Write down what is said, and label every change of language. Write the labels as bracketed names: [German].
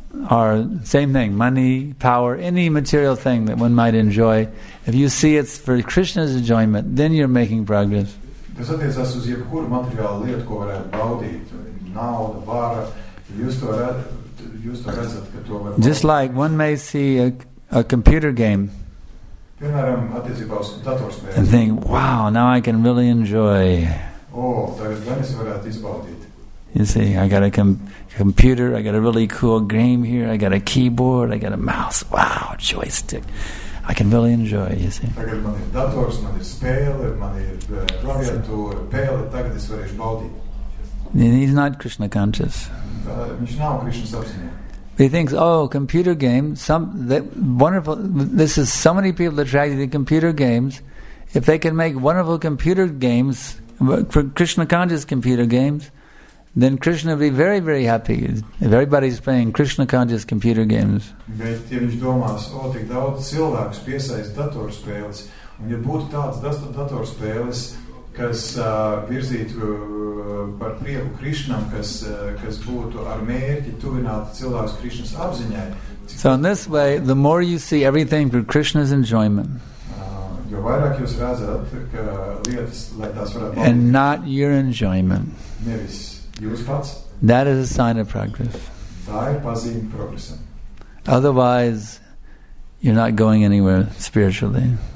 [English] Or same thing, money, power, any material thing that one might enjoy. If you see it's for Krishna's enjoyment, then you're making progress. [Latvian] Tas attiecās uz jebkuru materiālu lietu, ko varētu baudīt. Nauda, vara, jūs to redzat, ka to var. [English] Just like one may see a computer game. [Latvian] Piemēram, attiecībā uz datorspēli. [English] And think, wow, now I can really enjoy. [Latvian] Oh, tagad gan es varētu izbaudīt. [English] You see, I got a computer, I got a really cool game here, I got a keyboard, I got a mouse, wow, joystick. I can really enjoy, you see. [Latvian] Tagad man ir dators, man ir spēle, man ir klaviatūra, pēle, tagad es varēšu baudīt. [English] He's not Krishna conscious. [Latvian] Viņš nav Krishna sapziņā. [English] He thinks, oh, computer game, wonderful, this is so many people attracted to computer games, if they can make wonderful computer games, for Krishna conscious computer games, then Krishna will be very, very happy if everybody is playing Krishna conscious computer games. [Latvian] Bet, ja viņš domās, o, tik daudz cilvēkus piesaist datorspēles, un ja būtu tāds datorspēles, kas virzītu par prieku Krishnam, kas būtu ar mērķi tuvināt cilvēkus Krishnas apziņai, [English] So in this way, the more you see everything through Krishna's enjoyment, and not your enjoyment, that is a sign of progress. Otherwise, you're not going anywhere spiritually.